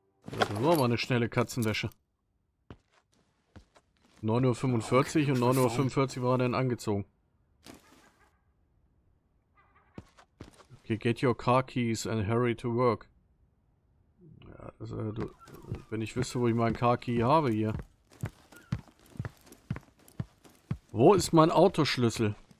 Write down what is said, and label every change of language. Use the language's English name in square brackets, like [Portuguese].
[German] Das war mal eine schnelle Katzenwäsche. 9.45 Uhr und 9.45 Uhr war er dann angezogen. [English] Okay, get your car keys and hurry to work. [German] Ja, also, wenn ich wüsste, wo ich meinen Car Key habe hier. Wo ist mein Autoschlüssel?